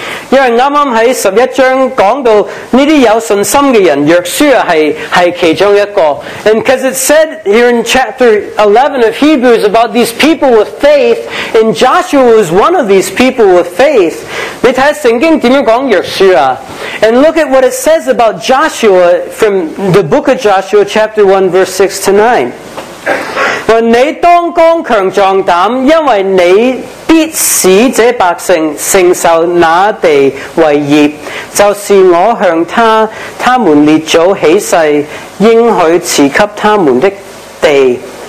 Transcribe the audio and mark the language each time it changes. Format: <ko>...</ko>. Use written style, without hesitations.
<zh>因为刚刚在十一章讲到这些有信心的人约书亚 是其中一个</zh> <en>and because it said here in chapter 11 of Hebrews about these people with faith and Joshua was one of these people with faith</en> <zh>你看圣经怎么讲约书亚</zh> <en>and look at what it says about Joshua from the book of Joshua chapter 1 verse 6 to 9</en> <zh>说你当刚强壮胆因为你必使这百姓承受那地为业，就是我向他们列祖起誓应许赐给他们的地。</zh>